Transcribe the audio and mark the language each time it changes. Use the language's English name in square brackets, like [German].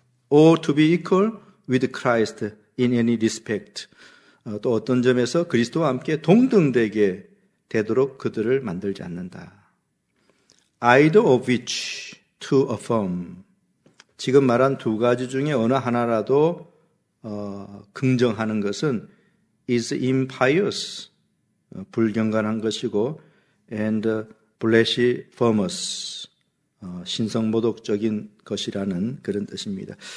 [English] Or to be equal with Christ in any respect. [Korean] 또 어떤 점에서 그리스도와 함께 동등되게 되도록 그들을 만들지 않는다. [English] Either of which to affirm. [Korean] 지금 말한 두 가지 중에 어느 하나라도 긍정하는 것은 [English] is impious, [Korean] 불경건한 것이고 [English] and blasphemous, [Korean] 신성모독적인 것이라는 그런 뜻입니다.